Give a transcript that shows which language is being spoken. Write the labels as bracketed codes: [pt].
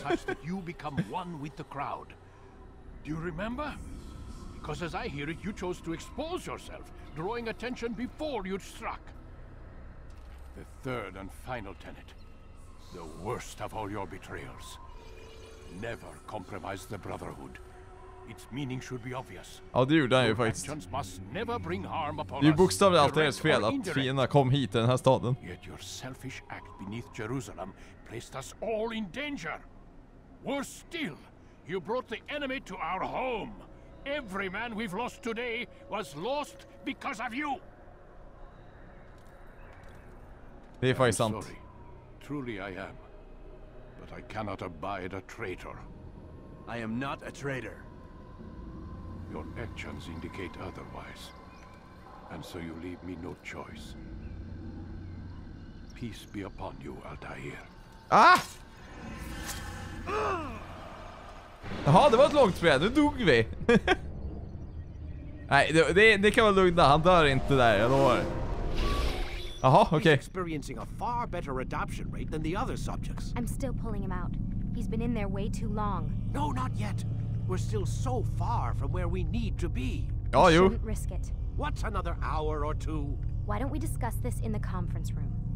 [en] Such that you become one with the crowd. Do you remember? Because as I hear it, you chose to expose yourself, drawing attention before you'd struck. The third and final tenet, the worst of all your betrayals. Never compromise the Brotherhood. Its meaning should be obvious. [sv] Ja, det gjorde han ju faktiskt. [en] Actions must never bring harm upon us. [sv] Det är bokstavligt allt deras fel att fienderna kom hit till den här staden. [en] Yet your selfish act beneath Jerusalem placed us all in danger. Worse still, you brought the enemy to our home. Every man we've lost today was lost because of you. [sv] Det är faktiskt sant. [en] Truly I am. But I cannot abide a traitor. I am not a traitor. Your actions indicate otherwise. And so you leave me no choice. Peace be upon you, Altair. Ah! [sv] Jaha, det var ett långt spel. Nu dog vi. Nej, det kan vara lugna. Han dör inte där, jag lovar. Jaha, okej. [en] He's experiencing a far better adaption rate than the other subjects. I'm still pulling him out. He's been in there way too long. No, not yet. We're still so far from where we need to be. Oh, you shouldn't risk it. What's another hour or two? Why don't we discuss this in the conference room?